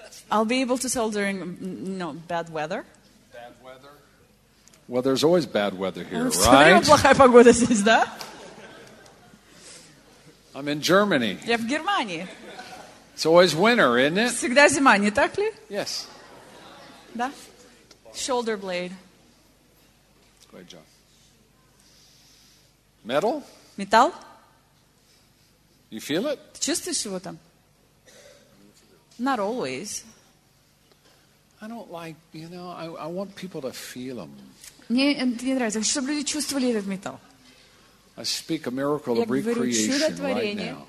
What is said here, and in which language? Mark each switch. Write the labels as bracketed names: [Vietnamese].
[English] I'll be able to tell during bad weather. Bad weather. Well, there's always bad weather here, right? [Russian] Всегда плохая погода здесь, да? [English] I'm in Germany. [Russian] Я в Германии. [English] It's always winter, isn't it? [Russian] Всегда зима, не так ли? [English] Yes. [Russian] Да. [English] Shoulder blade. Great job. Metal? [Russian] Металл? [English] You feel it? [Russian] Ты чувствуешь его там? [English] Not always. I don't like, you know, I want people to feel them. [Russian] Мне нравится, чтобы люди чувствовали этот металл. [English] I speak a miracle of recreation right now.